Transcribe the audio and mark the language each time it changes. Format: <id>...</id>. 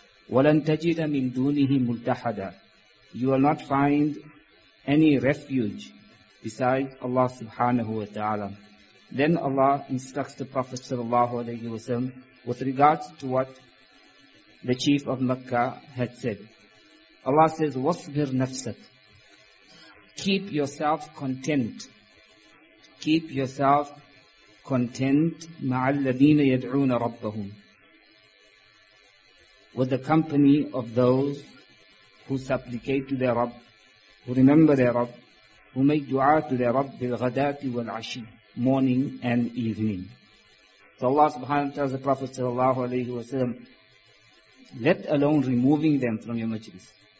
<ar>وَلَنْ تَجِدَ مِنْ دُونِهِ مُلْتَحَدًا.</ar> <en>You will not find any refuge besides Allah subhanahu wa ta'ala. Then Allah instructs the Prophet sallallahu alayhi wa sallam with regards to what the chief of Makkah had said. Allah says,</en> <ar>وَصْبِرْ نَفْسَكْ.</ar> <en>Keep yourself content. Keep yourself content</en> <ar>مَعَ الَّذِينَ يَدْعُونَ رَبَّهُمْ.</ar> <en>With the company of those who supplicate to their Rabb, who remember their Rabb, who make dua to their Rabb</en> <ar>بِالْغَدَاتِ وَالْعَشِي,</ar> <en>morning and evening. So Allah subhanahu wa ta'ala tells the Prophet sallallahu alayhi wa sallam, let alone removing them from your majlis.</en>